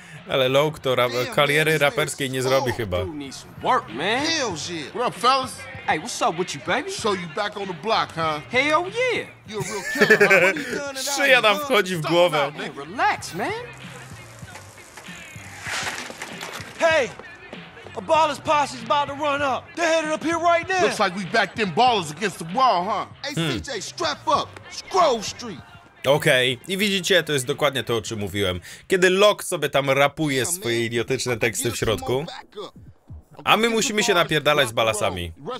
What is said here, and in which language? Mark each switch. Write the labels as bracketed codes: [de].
[pl] Ale Low to kariery raperskiej nie zrobi chyba. [en] Work, man. Hell yeah. What up, fellas? Hey, what's up with you, baby? So you back on the block, huh? Hell yeah. You're a real killer. [pl] Szyja nam wchodzi w głowę. [en] Relax, man. Hey, A baller's posse is about to run up. They're headed up here right now. Looks like we backed them ballers against the wall, huh? Hey, CJ, strap up. Scroll Street. [pl] Okej, okay. I widzicie, to jest dokładnie to, o czym mówiłem. Kiedy Locke sobie tam rapuje swoje idiotyczne teksty w środku. A my musimy się napierdalać z balasami.